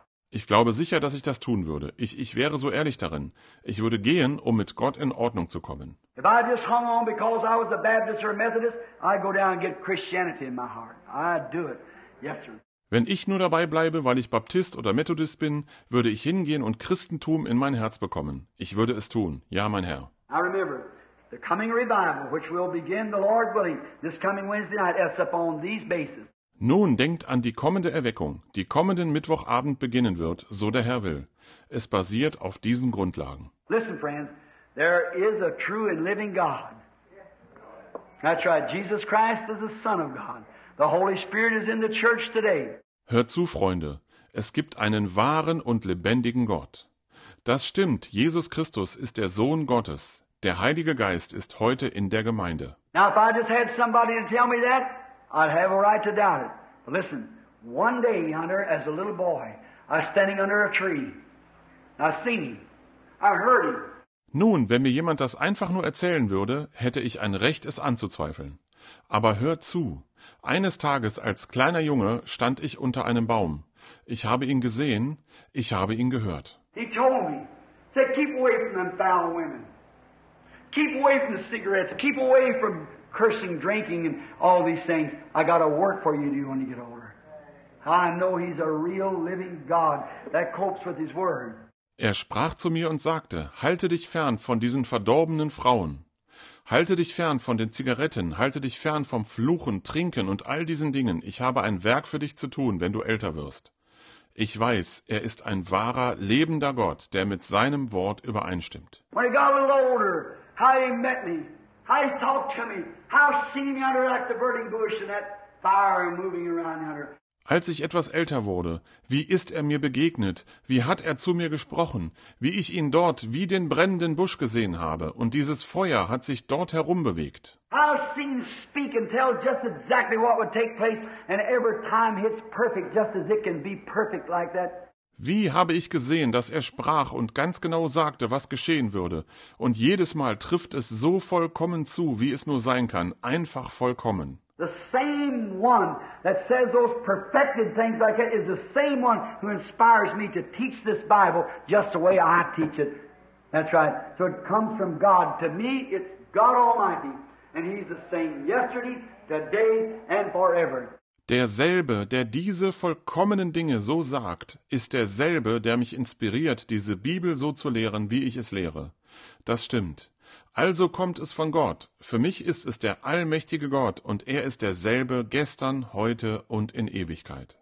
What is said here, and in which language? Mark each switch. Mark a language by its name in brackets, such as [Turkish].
[German] Ich glaube sicher, dass ich das tun würde. Ich wäre so ehrlich darin. Ich würde gehen, um mit Gott in Ordnung zu kommen. [English] If I just hung on because I was a Baptist or a Methodist, I'd go down and get Christianity in my heart. I'd do it. Yes, sir. [German] Wenn ich nur dabei bleibe, weil ich Baptist oder Methodist bin, würde ich hingehen und Christentum in mein Herz bekommen. Ich würde es tun. Ja, mein Herr. [English] I remember the coming revival, which will begin, the Lord willing, this coming Wednesday night, as upon these bases. [German] Nun denkt an die kommende Erweckung, die kommenden Mittwochabend beginnen wird, so der Herr will. Es basiert auf diesen Grundlagen. [English] Listen, friends, there is a true and living God. That's right, Jesus Christ is the Son of God. The Holy Spirit is in the church today. [German] Hört zu, Freunde, es gibt einen wahren und lebendigen Gott. Das stimmt, Jesus Christus ist der Sohn Gottes. Der Heilige Geist ist heute in der Gemeinde. [English] Now, if I just had somebody to tell me that, I'd have a right to doubt it. But listen, one day, Hunter, as a little boy, I was standing under a tree. I seen him. I heard him. [German] Nun, wenn mir jemand das einfach nur erzählen würde, hätte ich ein Recht, es anzuzweifeln. Aber hört zu. Eines Tages als kleiner Junge stand ich unter einem Baum. Ich habe ihn gesehen. Ich habe ihn gehört. [English] He told me, said, keep away from them foul women. Keep away from the cigarettes. Keep away from cursing, drinking, and all these things. I got a work for you to do when you get older. I know he's a real living God that copes with his word. [German] Er sprach zu mir und sagte, halte dich fern von diesen verdorbenen Frauen. Halte dich fern von den Zigaretten, halte dich fern vom Fluchen, Trinken und all diesen Dingen. Ich habe ein Werk für dich zu tun, wenn du älter wirst. Ich weiß, er ist ein wahrer, lebender Gott, der mit seinem Wort übereinstimmt. [English] When he got a little older, how he met me, how he talked to me, how he seen me under like the burning bush and that fire moving around under. [German] Als ich etwas älter wurde, wie ist er mir begegnet, wie hat er zu mir gesprochen, wie ich ihn dort wie den brennenden Busch gesehen habe und dieses Feuer hat sich dort herum bewegt. [English] I've seen him speak and tell just exactly what would take place and every time hits perfect just as it can be perfect like that. [German] Wie habe ich gesehen, dass er sprach und ganz genau sagte, was geschehen würde und jedes Mal trifft es so vollkommen zu, wie es nur sein kann, einfach vollkommen. [English] The same one that says those perfected things like that is the same one who inspires me to teach this Bible just the way I teach it. That's right. So it comes from God. To me, it's God Almighty. And he's the same yesterday, today, and forever. [German] Derselbe, der diese vollkommenen Dinge so sagt, ist derselbe, der mich inspiriert, diese Bibel so zu lehren, wie ich es lehre. Das stimmt. Also kommt es von Gott. Für mich ist es der allmächtige Gott und er ist derselbe gestern, heute und in Ewigkeit.